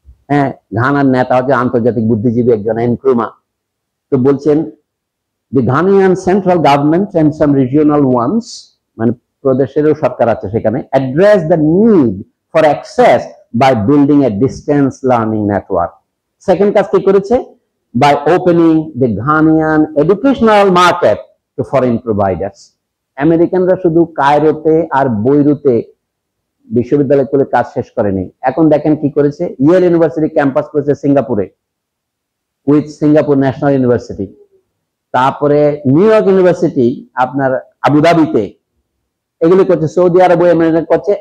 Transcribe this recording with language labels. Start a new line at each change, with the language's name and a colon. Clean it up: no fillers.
Bangla: হ্যাঁ, ঘানার নেতা হচ্ছে আন্তর্জাতিক বুদ্ধিজীবী একজন এনক্রুমা। তো বলছেন
English: the Ghanaian central government and some regional ones,
Bangla: মানে প্রদেশেরও সরকার আছে সেখানে,
English: Address the need for access by building a distance learning network.
Bangla: Second কাজ কি করেছে,
English: by opening the Ghanaian educational market to foreign providers.
Bangla: American রা শুধু কায়রোতে আর বৈরুতে বিশ্ববিদ্যালয় খুলে কাজ শেষ করেনি, এখন দেখেন কি করেছে, ইয়েল ইউনিভার্সিটি ক্যাম্পাস করেছে সিঙ্গাপুরে উইথ সিঙ্গাপুর ন্যাশনাল ইউনিভার্সিটি, তারপরে নিউ ইয়র্ক ইউনিভার্সিটি আপনার আবুধাবিতে, এগুলি করছে সৌদি আরব করছে।